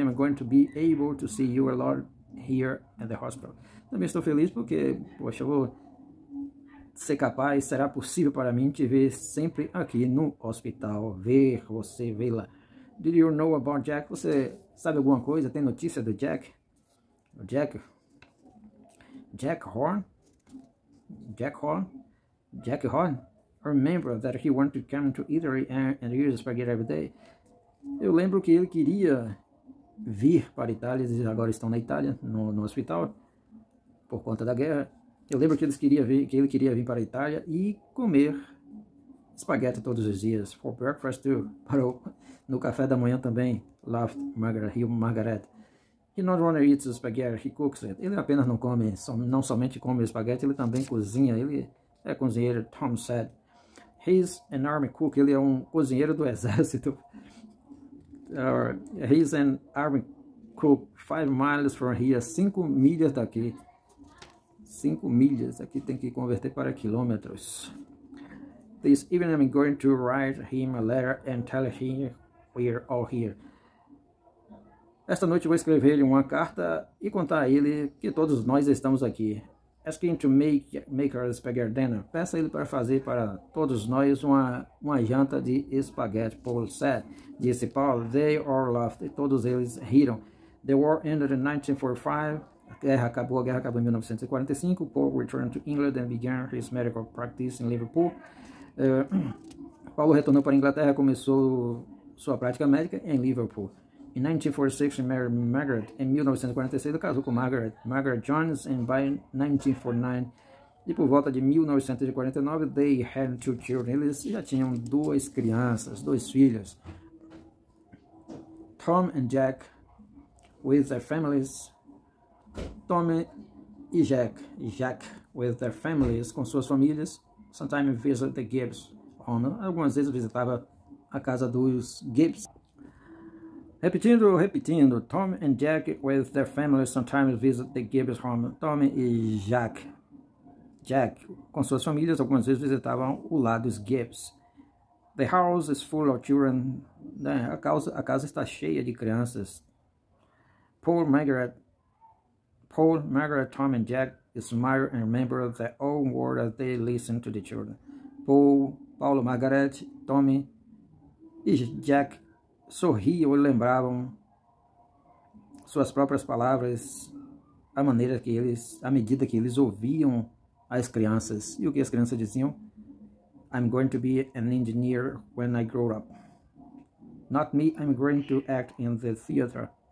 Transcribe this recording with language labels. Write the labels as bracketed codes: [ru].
[en] I'm going to be able to see you a lot here at the hospital. [pt] Também estou feliz porque, poxa, eu vou ser capaz, será possível para mim te ver sempre aqui no hospital. Ver você, vê-la. [en] Did you know about Jack? [pt] Você sabe alguma coisa? Tem notícia do Jack? Jack Horn? [en] I remember that he wanted to come to Italy and use spaghetti every day. [pt] Eu lembro que ele queria vir para a Itália, eles agora estão na Itália, no hospital, por conta da guerra. Eu lembro que ele queria vir para a Itália e comer espaguete todos os dias. [en] For breakfast too. [pt] No café da manhã também. [en] Laughed Margaret. He not only eats spaghetti, he cooks it. [pt] Ele apenas não come, não somente come espaguete, ele também cozinha. Ele é cozinheiro, [en] Tom said. He's an army cook. [pt] Ele é um cozinheiro do exército. [en] He's an army cook 5 miles from here. [pt] 5 milhas daqui. 5 milhas. Aqui tem que converter para quilômetros. [en] This evening I'm going to write him a letter and tell him we're all here. [pt] Esta noite eu vou escrever-lhe uma carta e contar a ele que todos nós estamos aqui. [en] Ask him to make our spaghetti dinner. [pt] Peça ele para fazer para todos nós uma janta de espaguete. [en] Paul said. [pt] Disse Paul. [en] They all laughed. [pt] E todos eles riram. [en] The war ended in 1945. [pt] A guerra acabou em 1945. [en] Paul returned to England and began his medical practice in Liverpool. [pt] Paulo retornou para a Inglaterra e começou sua prática médica em Liverpool. [en] In 1946, he married Margaret. [pt] Em 1946, ele casou com Margaret Jones. [en] And by 1949, [pt] e por volta de 1949, [en] they had 2 children. [pt] Eles já tinham 2 crianças, 2 filhos. [en] Tom and Jack, with their families. Tom e Jack. Jack, with their families, [pt] com suas famílias. [en] Sometimes visit the Gibbs home. [pt] Algumas vezes visitava a casa dos Gibbs. [en] Repetindo, Tom and Jack with their families sometimes visit the Gibbs home. [pt] Tom e Jack, com suas famílias, algumas vezes visitavam o lar dos Gibbs. [en] The house is full of children. [pt] Né? A casa está cheia de crianças. [en] Paul, Margaret, Tom and Jack smile and remember the old word as they listen to the children. [pt] Paulo, Margaret, Tommy e Jack sorriam e lembravam suas próprias palavras, a maneira que eles, à medida que eles ouviam as crianças. E o que as crianças diziam? [en] I'm going to be an engineer when I grow up. Not me, I'm going to act in the theater.